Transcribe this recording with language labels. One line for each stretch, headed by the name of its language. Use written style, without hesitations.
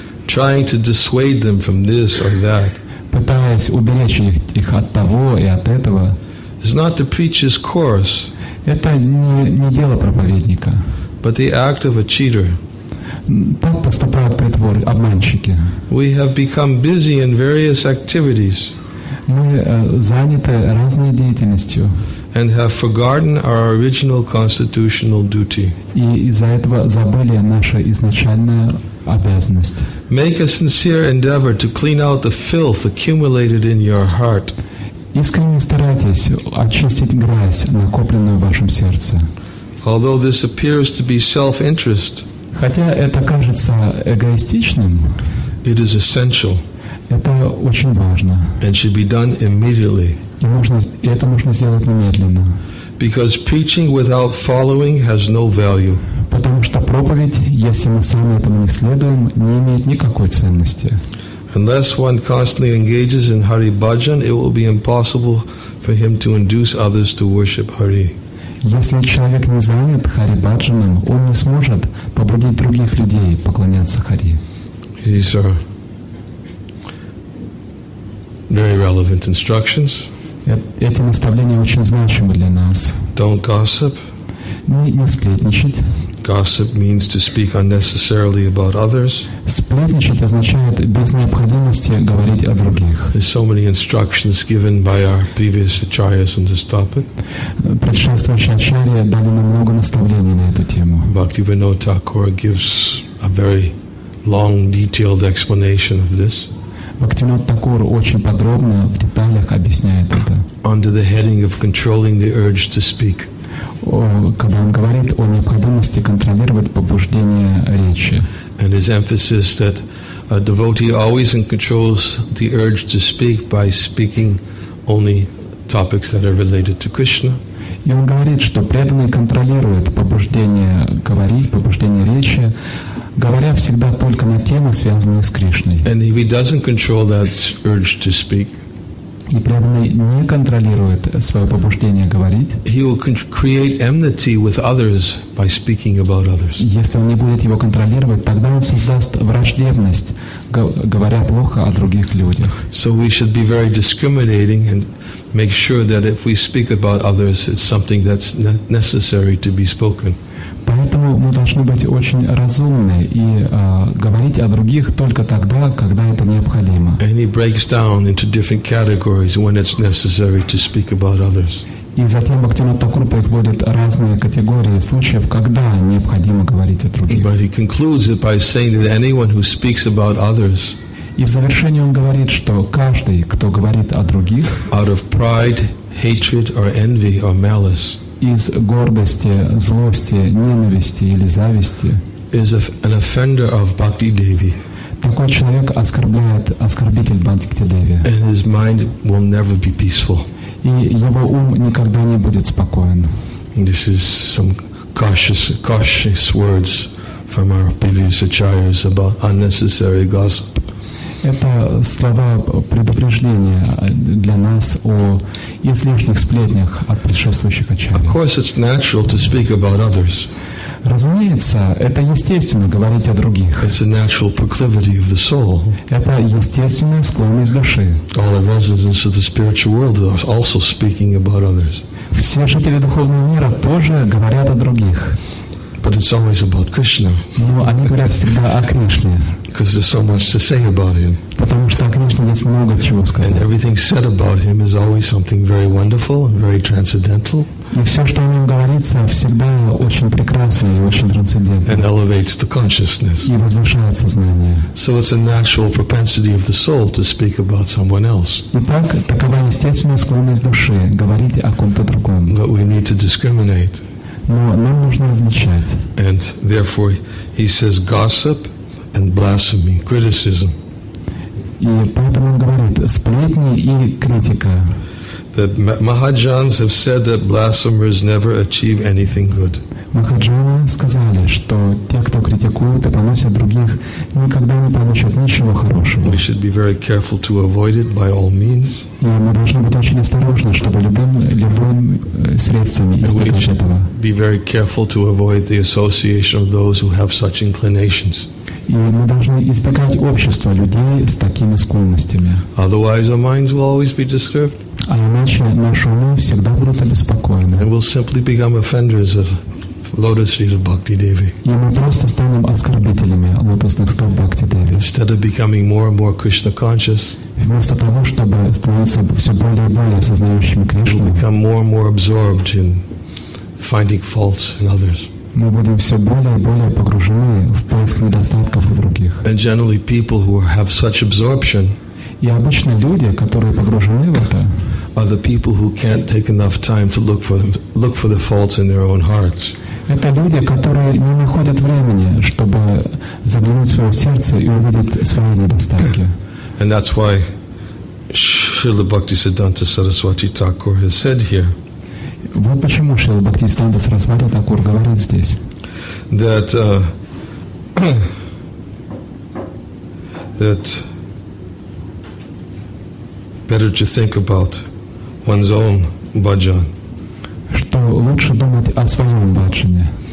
English: trying to dissuade them from this or that.
Russian: Пытаясь уберечь их от того и от этого.
English: It's not the preacher's course.
Russian: Это не дело проповедника.
English: But the act of a cheater.
Russian: Так поступают притворы, обманщики.
English: We have become busy in various activities.
Russian: Мы заняты разной деятельностью.
English: And have forgotten our original constitutional duty.
Russian: И из-за этого забыли наша изначальная обязанность.
English: Make a sincere endeavor to clean out the filth accumulated in your heart.
Russian: Искренне старайтесь очистить грязь, накопленную в вашем сердце.
English: Although this appears to be self-interest,
Russian: хотя это кажется эгоистичным,
English: it is essential.
Russian: Это очень важно.
English: And should be done immediately.
Russian: Это можно сделать немедленно.
English: Because preaching without following has no value.
Russian: Потому что проповедь, если мы сами этому не следуем, не имеет никакой ценности.
English: Unless one constantly engages in Hari Bhajan, it will be impossible for him to induce others to worship Hari.
Russian: Если человек не занят Хари Бхаджаном, он не сможет побудить других людей поклоняться Хари.
English: These are very relevant instructions.
Russian: Эти наставления очень значимы для нас.
English: Don't gossip.
Russian: Не сплетничать.
English: Gossip means to speak unnecessarily about others.
Russian: Сплетничать означает без необходимости говорить о других.
English: There's so many instructions given by our previous acharyas on this topic.
Russian: Предшествующие ачарьи дали нам много наставлений на эту тему.
English: Bhaktivinoda Thakur gives a very long, detailed explanation of this.
Russian: Бхактивинода Такур очень подробно в деталях объясняет это.
English: Under the heading of controlling the urge to speak.
Russian: Когда он говорит о необходимости контролировать побуждение речи.
English: And his emphasis that a devotee always controls the urge to speak by speaking only topics that are related to Krishna.
Russian: И он говорит, что преданный контролирует побуждение говорить, побуждение речи, говоря всегда только на темы, связанные с Кришной.
English: And if he doesn't control that urge to speak,
Russian: и преданный не контролирует свое побуждение говорить,
English: he will create enmity with others by speaking about others.
Russian: Если он не будет его контролировать, тогда он создаст враждебность, говоря плохо о других людях.
English: So we should be very discriminating and make sure that if we speak about others, it's something that's necessary to be spoken.
Russian: Поэтому мы должны быть очень разумны и говорить о других только тогда, когда это необходимо.
English: And he breaks down into different categories when it's necessary to speak about others.
Russian: И затем Бхактивинода Такур приводит разные категории случаев, когда необходимо говорить о других.
English: But he concludes it by saying that anyone who speaks about others,
Russian: и в завершении он говорит, что каждый, кто говорит о других,
English: out of pride, hatred, or envy, or malice,
Russian: из гордости, злости, ненависти или зависти,
English: is an offender of Bhakti Devi.
Russian: Такой человек оскорбляет оскорбитель Бхакти Деви.
English: And his mind will never be peaceful.
Russian: И его ум никогда не будет спокоен.
English: This is some cautious words from our previous acharyas about unnecessary gossip.
Russian: Это слова предупреждения для нас о излишних сплетнях от предшествующих ачарий.
English: Of course, it's natural to speak about others.
Russian: Разумеется, это естественно говорить о других.
English: It's a natural proclivity of the soul.
Russian: Это естественная склонность души.
English: All the residents of the spiritual world are also speaking about others.
Russian: Все жители духовного мира тоже говорят о других.
English: But it's always about Krishna.
Russian: Но они говорят всегда о Кришне.
English: Because there's so much to say about him.
Russian: Потому что о Кришне есть много чего сказать.
English: And everything said about him is always something very wonderful and very transcendental.
Russian: И все, что о нем говорится, всегда очень прекрасно и очень трансцендентно.
English: And elevates the consciousness.
Russian: И возвышает сознание.
English: So it's a natural propensity of the soul to speak about someone else.
Russian: Итак, такова естественная склонность души говорить о ком-то другом.
English: But we need to discriminate.
Russian: Но нам нужно различать.
English: And therefore, he says, gossip and blasphemy, criticism.
Russian: И поэтому он говорит, сплетни и критика.
English: The Mahajans have said that blasphemers never achieve anything good.
Russian: Махаджаны сказали, что те, кто критикуют и поносят других, никогда не получат ничего хорошего.
English: We should be very careful to avoid it by all means.
Russian: И мы должны быть очень осторожны, чтобы любыми средствами избежать этого.
English: Be very careful to avoid the association of those who have such inclinations.
Russian: И мы должны избегать общества людей с такими склонностями.
English: Otherwise, our minds will always be disturbed.
Russian: А иначе наши умы всегда будут обеспокоены.
English: And we'll simply become offenders of lotus feet of Bhakti Devi.
Russian: И мы просто станем оскорбителями лотосных стоп Бхакти Деви.
English: Instead of becoming more and more Krishna conscious.
Russian: Вместо того, чтобы становиться все более и более осознающими Кришну.
English: Become more and more absorbed in finding faults in others.
Russian: Мы будем все более и более погружены в поиск недостатков у других.
English: And generally people who have such absorption.
Russian: И обычно люди, которые погружены в это,
English: are the people who can't take enough time to look for the faults in their own hearts.
Russian: Это люди, которые не находят времени, чтобы заглянуть в свое сердце и увидеть свои недостатки.
English: And that's why Śrīla Bhaktisiddhānta Saraswati Thakur has said here.
Russian: Вот почему Śrīla Bhaktisiddhānta Saraswati Thakur говорит здесь.
English: That better to think about one's own bhajan.
Russian: Что лучше думать о своем бхаджане.